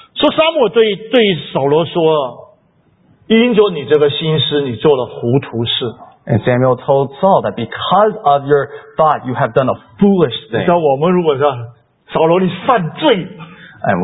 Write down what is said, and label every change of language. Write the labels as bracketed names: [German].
[Chinese] 说撒母耳对扫罗说，因着你这个心思，你做了糊涂事。 [English] And Samuel told Saul that because of your thought, you have done a foolish thing. [Chinese] 那我们如果说，扫罗你犯罪。 [English] And